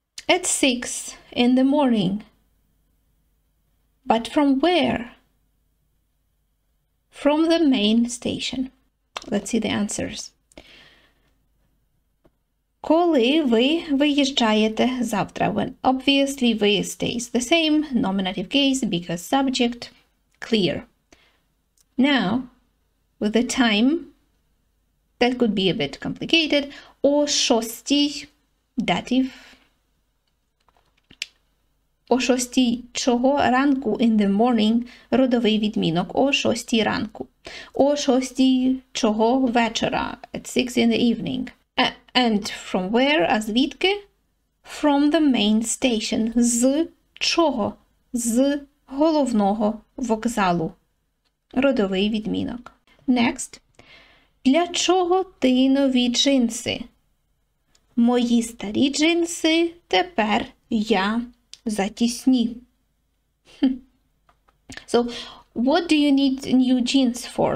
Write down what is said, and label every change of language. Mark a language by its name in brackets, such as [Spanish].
[English] At 6 in the morning. But from where? From the main station. Let's see the answers. [Ukrainian] Коли ви виїжджаєте завтра? [English] When obviously ви stays the same, nominative case, because subject, clear. Now, with the time, that could be a bit complicated. [Ukrainian] О шостій, dative. О шостій чого ранку, [English] in the morning, [Ukrainian] родовий відмінок. О шостій ранку. О шостій чого вечора, [English] at 6 in the evening. And from where, [Ukrainian] а звідки? [English] From the main station. [Ukrainian] З чого? З головного вокзалу. Родовий відмінок. Next. Для чого ти нові джинси? Мої старі джинси, тепер я затісні. [English] So, what do you need new jeans for?